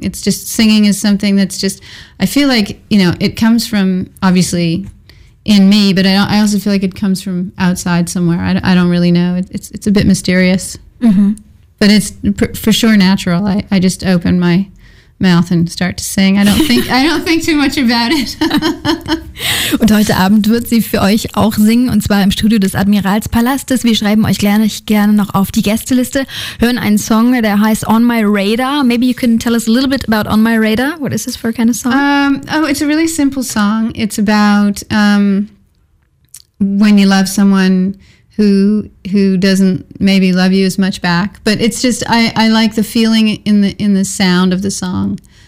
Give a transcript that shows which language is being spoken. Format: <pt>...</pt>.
<en>It's just singing is something that's just, I feel like, you know, it comes from obviously in me, but I also feel like it comes from outside somewhere. I don't really know. It's a bit mysterious, but it's for sure natural. I just open my mouth and start to sing. I don't think too much about it.</en> <de>Und heute Abend wird sie für euch auch singen, und zwar im Studio des Admiralspalastes. Wir schreiben euch gerne noch auf die Gästeliste, hören einen Song, der heißt On My Radar.</de> <en>Maybe you can tell us a little bit about On My Radar. What is this for a kind of song? It's a really simple song. It's about when you love someone who doesn't maybe love you as much back. But it's just, I like the feeling in the sound of the song.</en>